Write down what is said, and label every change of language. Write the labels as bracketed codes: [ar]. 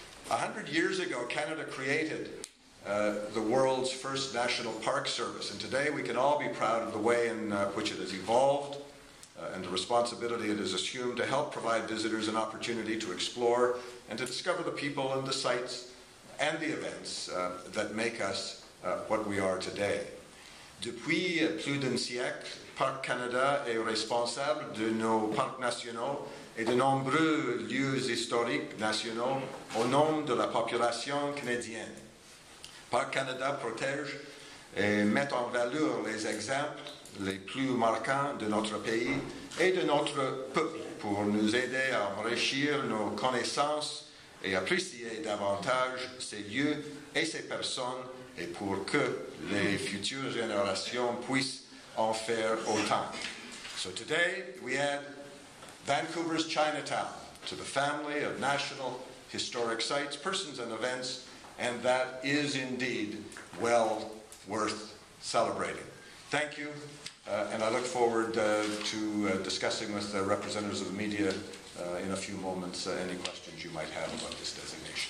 [en] 100 years ago, Canada created the world's first national park service, and today we can all be proud of the way in which it has evolved, and the responsibility it has assumed to help provide visitors an opportunity to explore and to discover the people and the sites and the events that make us what we are today. [fr] Depuis plus d'un siècle, Parc Canada est responsable de nos parcs nationaux et de nombreux lieux historiques nationaux au nom de la population canadienne. Parc Canada protège et met en valeur les exemples les plus marquants de notre pays et de notre peuple pour nous aider à enrichir nos connaissances et apprécier davantage ces lieux et ces personnes et pour que les futures générations puissent en faire autant. [en] So today we add Vancouver's Chinatown to the family of national historic sites, persons and events, and that is indeed well worth celebrating. Thank you. And I look forward to discussing with the representatives of the media in a few moments any questions you might have about this designation.